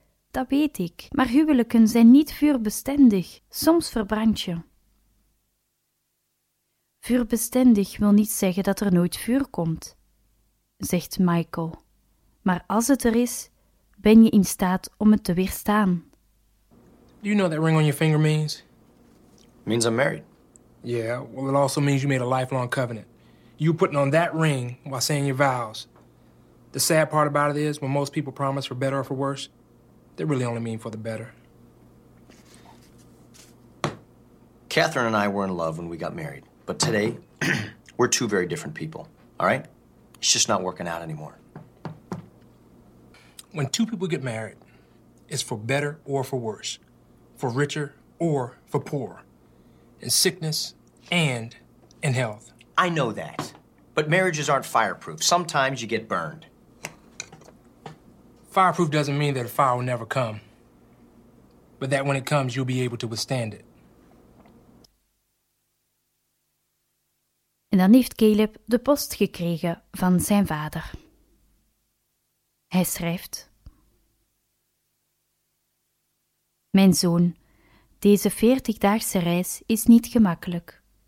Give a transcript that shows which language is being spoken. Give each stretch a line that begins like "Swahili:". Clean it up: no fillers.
Dutch: Dat weet ik, maar huwelijken zijn niet vuurbestendig, soms verbrand je. Vuurbestendig wil niet zeggen dat er nooit vuur komt, zegt Michael. Maar als het er is, ben je in staat om het te weerstaan.
English: Do you know what that ring on your finger means? It means I'm married. Yeah, well, it also means you made a lifelong covenant. You were putting on that ring while saying your vows. The sad part about it is, when most people promise for better or for worse, they really only mean for the better. Catherine and I were in love when we got married. But today, we're two very different people, all right? It's just not working out anymore. When two people get married, it's for better or for worse, for richer or for poorer, in sickness and in health. I know that, but marriages aren't fireproof. Sometimes you get burned. Fireproof doesn't mean that a fire will never come, but that when it comes, you'll be able to withstand it.
Dutch: En dan heeft Caleb de post gekregen van zijn vader. Hij schrijft: mijn zoon, deze 40-daagse reis is niet gemakkelijk.